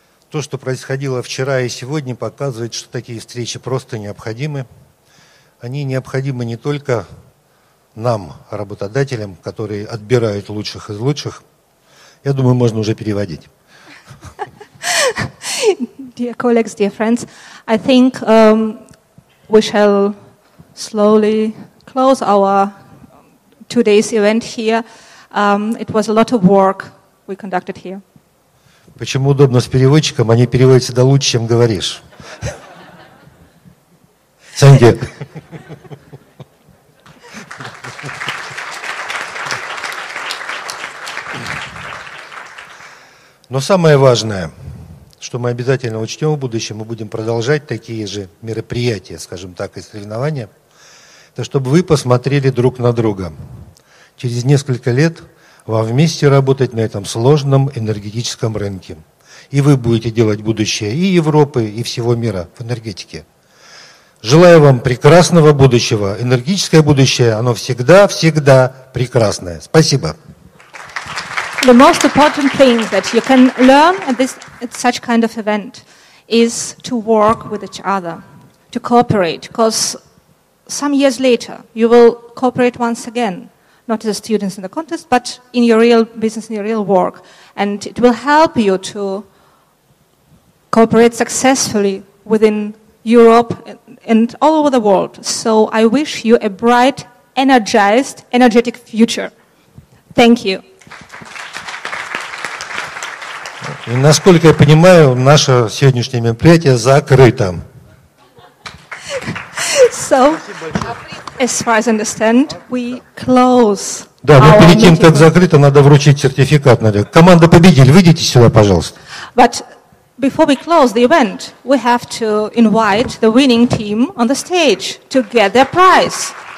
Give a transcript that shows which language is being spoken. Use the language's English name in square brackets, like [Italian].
[Russian] То, что происходило вчера и сегодня, показывает, что такие встречи просто необходимы. Они необходимы не только нам, работодателям, которые отбирают лучших из лучших. Я думаю, можно уже переводить. [English] Dear colleagues, dear friends, I think we shall slowly close our 2 days event here. It was a lot of work we conducted here. [Russian] Почему удобно с переводчиком? Они переводят всегда лучше, чем говоришь. [English] Thank you. [Russian] Но самое важное, что мы обязательно учтем в будущем, мы будем продолжать такие же мероприятия, скажем так, и соревнования, это чтобы вы посмотрели друг на друга. Через несколько лет вам вместе работать на этом сложном энергетическом рынке. И вы будете делать будущее и Европы, и всего мира в энергетике. Желаю вам прекрасного будущего. Энергетическое будущее, оно всегда, всегда прекрасное. Спасибо. [English] The most important thing that you can learn at this at such kind of event is to work with each other, to cooperate, because some years later you will cooperate once again, not as students in the contest, but in your real business, in your real work, and it will help you to cooperate successfully within Europe and all over the world. So I wish you a bright, energized, energetic future. Thank you. [Russian] И насколько я понимаю, наше сегодняшнее мероприятие закрыто. [English] So, as far as I understand, we close. [Russian] Да, мы перед тем, как закрыто, надо вручить сертификат. Команда победитель, выйдите сюда, пожалуйста. [English] But before we close the event, we have to invite the winning team on the stage to get their prize.